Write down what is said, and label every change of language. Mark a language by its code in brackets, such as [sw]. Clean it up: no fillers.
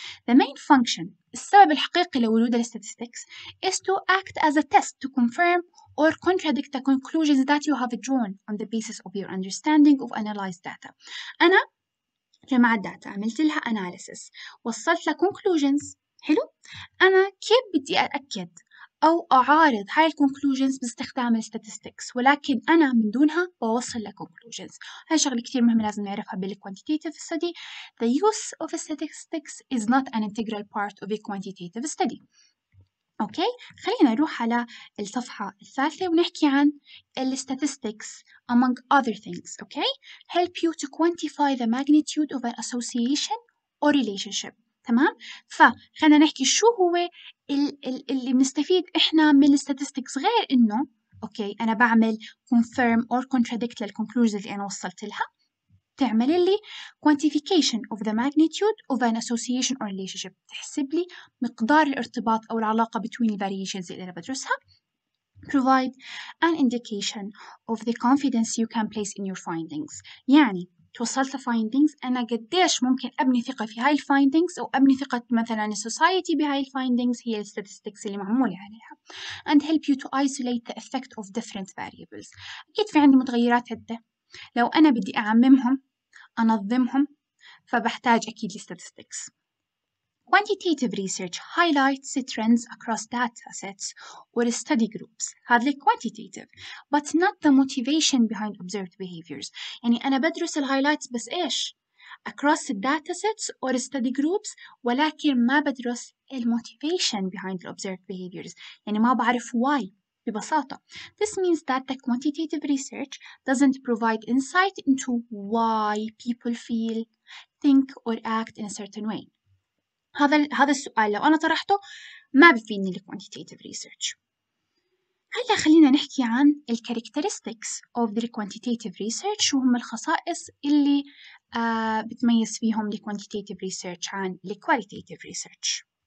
[en] The main function [ar] السبب الحقيقي لوجود الstatistics [en] is to act as a test to confirm or contradict the conclusions that you have drawn on the basis of your understanding of analyzed data. [ar] أنا جمعت data عملت لها analysis وصلت لconclusions. حلو؟ أنا كيف بدي أتأكد أو أعارض هاي الconclusions باستخدام الstatistics، ولكن أنا من دونها بوصل لconclusions. هاي شغلة كتير مهمة لازم نعرفها بالquantitative study. [en] The use of statistics is not an integral part of a quantitative study. [ar] أوكي؟ خلينا نروح على الصفحة الثالثة ونحكي عن الstatistics [en] among other things. Okay? help you to quantify the magnitude of an association or relationship. [ar] تمام؟ فخلنا نحكي شو هو اللي بنستفيد إحنا من الستاتيستيكس غير إنه أوكي أنا بعمل [en] confirm or contradict [ar] للconclusions اللي أنا وصلت لها. تعمل لي [en] quantification of the magnitude of an association or relationship، [ar] تحسب لي مقدار الارتباط أو العلاقة between the variations اللي أنا بدرسها. [en] provide an indication of the confidence you can place in your findings. [ar] يعني توصلت findings أنا قديش ممكن أبني ثقة في هاي findings أو أبني ثقة مثلاً society بهاي findings هي statistics اللي معمولة عليها. [en] and help you to isolate the effect of different variables. [ar] أكيد في عندي متغيرات عدة، لو أنا بدي أعممهم أنظمهم فبحتاج أكيد statistics. [en] quantitative research highlights trends across data sets or study groups. هذا quantitative but not the motivation behind observed behaviors. [ar] يعني أنا بدرس الهايلايتس بس إيش [en] across data sets or study groups، [ar] ولكن ما بدرس الموتيفيشن [en] behind observed behaviors، [ar] يعني ما بعرف why. [en] ببساطة this means that the quantitative research doesn't provide insight into why people feel, think or act in a certain way. [ar] هذا السؤال لو أنا طرحته ما بفيدني الـ quantitative research. هلا خلينا نحكي عن الـ [en] characteristics of the quantitative research، [ar] وهم الخصائص اللي بتميز فيهم الـ quantitative research عن الـ qualitative research.